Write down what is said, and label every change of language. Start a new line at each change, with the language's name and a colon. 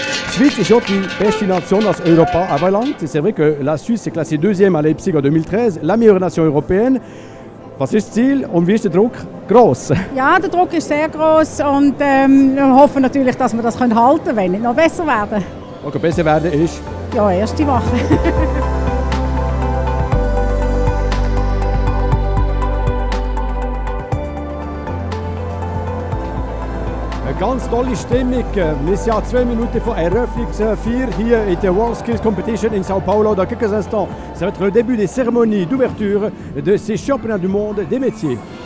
German: Suisse ist ja die beste Nation aus Europa anbelangt.
French: C'est vrai que la Suisse est classée deuxième à Leipzig en 2013, la meilleure nation européenne.
German: Was ist das Ziel und wie ist der Druck? Gross. Ja, der Druck ist sehr gross und wir hoffen natürlich, dass wir das halten können, wenn nicht noch besser werden. Okay, besser werden ist? Ja, erste Woche. Eine ganz tolle Stimmung. Wir sind ja 2 Minuten vor Eröffnungsfeier hier in der World Skills Competition in Sao Paulo.
French: Dans quelques instants, ça va être le début des cérémonies d'ouverture de ces championnats du monde des métiers.